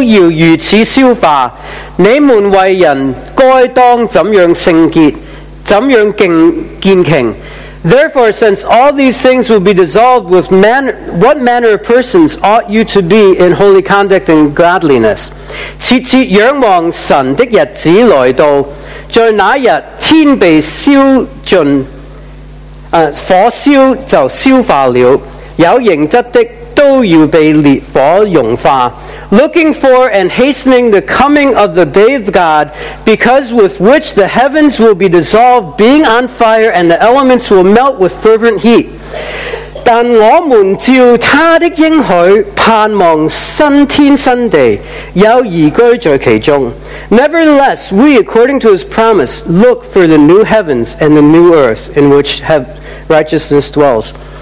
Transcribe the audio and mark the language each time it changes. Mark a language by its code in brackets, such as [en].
[zh] 这一切既然都要如此消化, 你们为人该当怎样圣洁,怎样敬虔。 [en] Therefore, since all these things will be dissolved, with manner, what manner of persons ought you to be in holy conduct and godliness? [zh] 切切仰望神的日子来到，在那日天被烧尽，火烧就消化了，有形质的都要被烈火融化。 [en] Looking for and hastening the coming of the day of God, because with which the heavens will be dissolved, being on fire, and the elements will melt with fervent heat. [zh] 但我们照他的应许，盼望新天新地，有宜居在其中。 [en] Nevertheless, we, according to his promise, look for the new heavens and the new earth in which have righteousness dwells.